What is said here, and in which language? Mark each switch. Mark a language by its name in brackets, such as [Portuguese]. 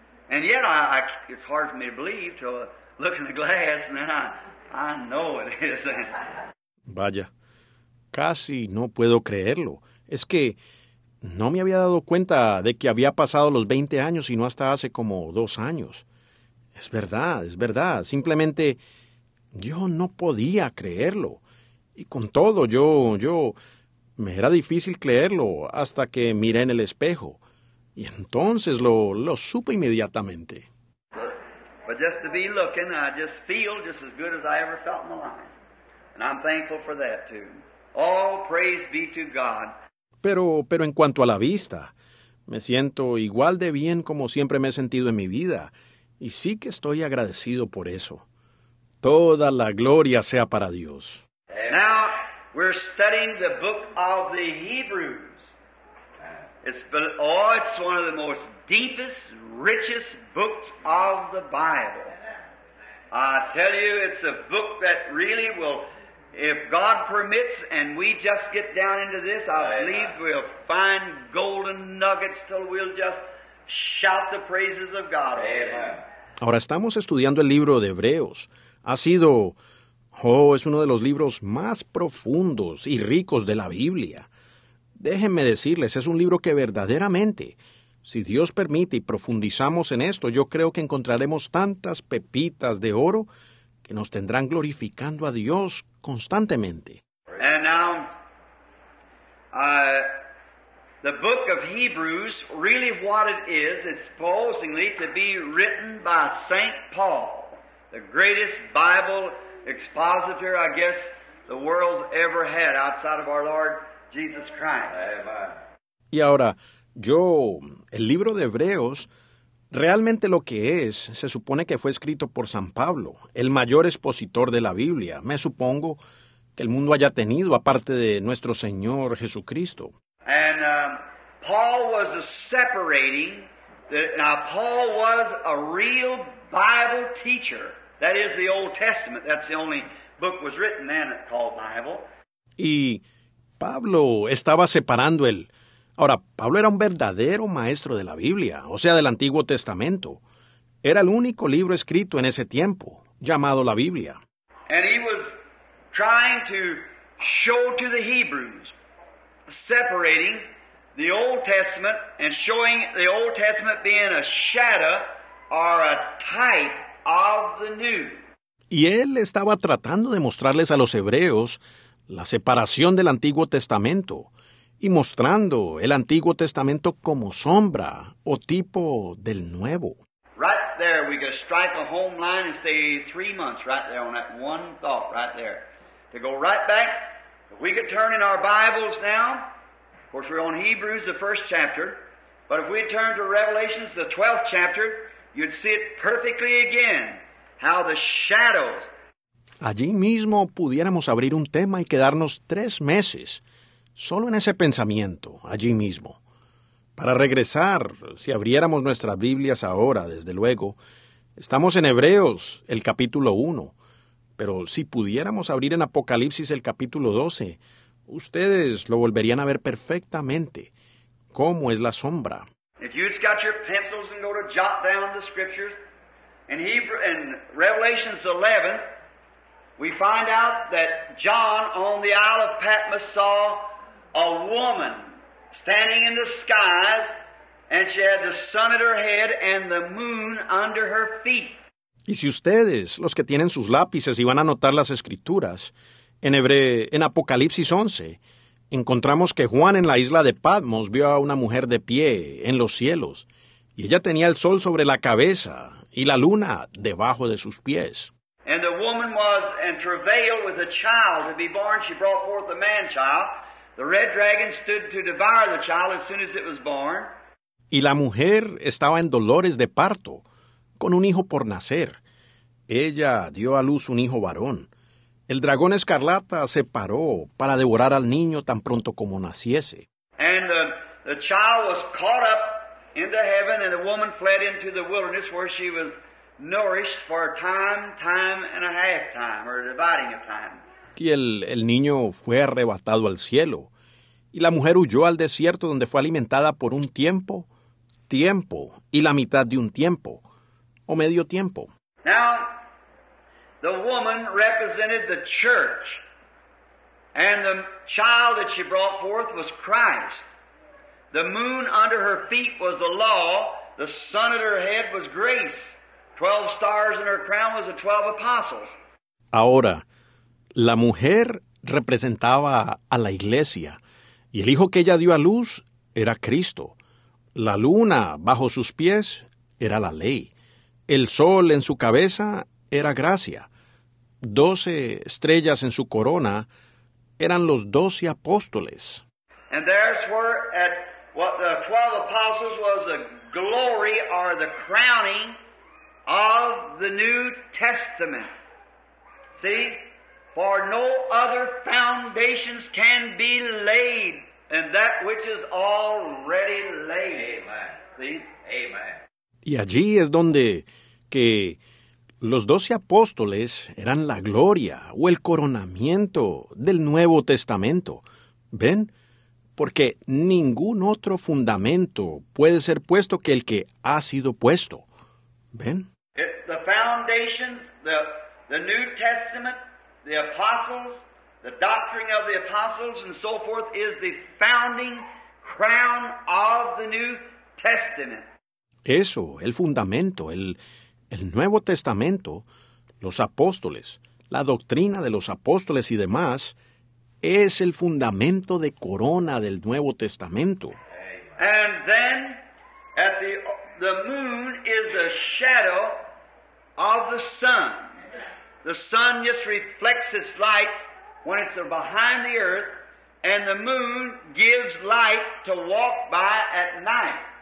[English] And yet, it's hard for me to believe till I look in the glass and then I know it is. [Spanish] Vaya, casi no puedo creerlo. Es que no me había dado cuenta de que había pasado los 20 años y no hasta hace como 2 años. Es verdad. Simplemente yo no podía creerlo. Y con todo, yo me era difícil creerlo hasta que miré en el espejo. Y entonces lo supe inmediatamente. [English] But just to be looking, I just feel just as good as I ever felt in my life. And I'm thankful for that too. All praise be to God. [Spanish] Pero en cuanto a la vista, me siento igual de bien como siempre me he sentido en mi vida. Y sí que estoy agradecido por eso. Toda la gloria sea para Dios. [English] Now, we're studying the book of the Hebrews. It's one of the most deepest, richest books of the Bible. I tell you, it's a book that really will... If God permits and we just get down into this, I believe we'll find golden nuggets till we'll just shout the praises of God. Amen. [Spanish] Ahora estamos estudiando el libro de Hebreos. Ha sido, es uno de los libros más profundos y ricos de la Biblia. Déjenme decirles, es un libro que verdaderamente, si Dios permite y profundizamos en esto, yo creo que encontraremos tantas pepitas de oro que nos tendrán glorificando a Dios constantemente. [English] And now, the book of Hebrews, really what it is, it's supposedly to be written by St. Paul, the greatest Bible expositor, I guess, the world's ever had outside of our Lord Jesus Christ. [Spanish] Y ahora, yo, el libro de Hebreos, realmente lo que es, se supone que fue escrito por San Pablo, el mayor expositor de la Biblia, me supongo, que el mundo haya tenido, aparte de nuestro Señor Jesucristo. [English] And Paul was a separating, now Paul was a real Bible teacher. That is the Old Testament. That's the only book was written then called Bible. [Spanish] Y Pablo estaba separando el... Ahora, Pablo era un verdadero maestro de la Biblia, o sea, del Antiguo Testamento. Era el único libro escrito en ese tiempo, llamado la Biblia. [English] And he was trying to show to the Hebrews, separating the Old Testament and showing the Old Testament being a shadow or a type of the New. [Spanish] Y él estaba tratando de mostrarles a los hebreos la separación del Antiguo Testamento y mostrando el Antiguo Testamento como sombra o tipo del Nuevo. [English] Right there, we could strike a home line and stay 3 months right there on that one thought right there. To go right back, if we could turn in our Bibles now, of course we're on Hebrews, the first chapter, but if we turn to Revelation, the 12th chapter, you'd see it perfectly again, how the shadows... [Spanish] Allí mismo pudiéramos abrir un tema y quedarnos 3 meses, solo en ese pensamiento, allí mismo. Para regresar, si abriéramos nuestras Biblias ahora, desde luego, estamos en Hebreos, el capítulo 1. Pero si pudiéramos abrir en Apocalipsis el capítulo 12, ustedes lo volverían a ver perfectamente. ¿Cómo es la sombra? [English] If you've got your pencils and go to jot down the scriptures, in Revelation 11, we find out that John on the Isle of Patmos saw a woman standing in the skies, and she had the sun at her head and the moon under her feet. [Spanish] Y si ustedes, los que tienen sus lápices y van a anotar las escrituras, en Apocalipsis 11, encontramos que Juan en la isla de Patmos vio a una mujer de pie en los cielos, y ella tenía el sol sobre la cabeza y la luna debajo de sus pies. [English] And the woman was in travail with a child to be born. She brought forth a man child. The red dragon stood to devour the child as soon as it was born. [Spanish] Y la mujer estaba en dolores de parto, con un hijo por nacer. Ella dio a luz un hijo varón. El dragón escarlata se paró para devorar al niño tan pronto como naciese. [English] And the child was caught up into heaven, and the woman fled into the wilderness where she was nourished for a time, time and a half time, or a dividing of time. [Spanish] Y el niño fue arrebatado al cielo, y la mujer huyó al desierto donde fue alimentada por un tiempo, tiempo y la mitad de un tiempo. O medio tiempo. [English] Now, the woman represented the church, and the child that she brought forth was Christ. The moon under her feet was the law, the sun at her head was grace, 12 stars in her crown was the 12 apostles. [Spanish] Ahora, la mujer representaba a la iglesia, y el hijo que ella dio a luz era Cristo. La luna bajo sus pies era la ley. El sol en su cabeza era gracia. 12 estrellas en su corona eran los 12 apóstoles. [English] And there's where at what the 12 apostles was the glory or the crowning of the New Testament. See? For no other foundations can be laid than that which is already laid. Amen. See? Amen. [Spanish] Y allí es donde que los 12 apóstoles eran la gloria o el coronamiento del Nuevo Testamento. ¿Ven? Porque ningún otro fundamento puede ser puesto que el que ha sido puesto. ¿Ven? [English] The foundations, the New Testament, the apostles, the doctrine of the apostles and so forth is the founding crown of the New Testament. [Spanish] Eso, el fundamento, el Nuevo Testamento, los apóstoles, la doctrina de los apóstoles y demás, es el fundamento de corona del Nuevo Testamento. [English] And then at the moon is a shadow of the sun. The sun just reflects its light when it's behind the earth, and the moon gives light to walk by at night.